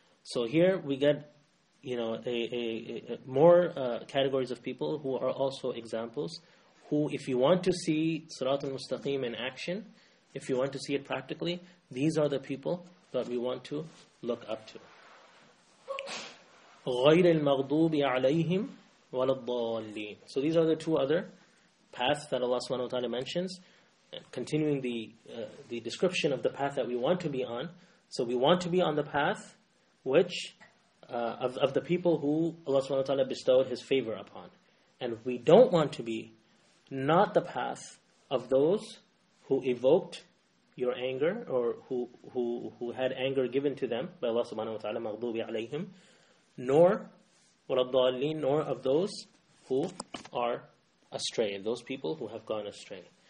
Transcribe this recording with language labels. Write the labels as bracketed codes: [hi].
[en] So here we get, you know, more categories of people who are also examples, who, if you want to see Sirat al-Mustaqim in action, if you want to see it practically, these are the people that we want to look up to. [ar] غير المغضوب عليهم ولا الضالين. [en] So these are the two other paths that Allah subhanahu wa ta'ala mentions, continuing the description of the path that we want to be on. So we want to be on the path which of the people who Allah subhanahu wa ta'ala bestowed His favor upon. And we don't want to be not the path of those who evoked your anger, or who had anger given to them by Allah subhanahu wa ta'ala, [ar] مَغْضُوبِ عَلَيْهِمْ, [en] nor [ar] وَرَضَّالِينَ, [en] nor of those who are astray, those people who have gone astray.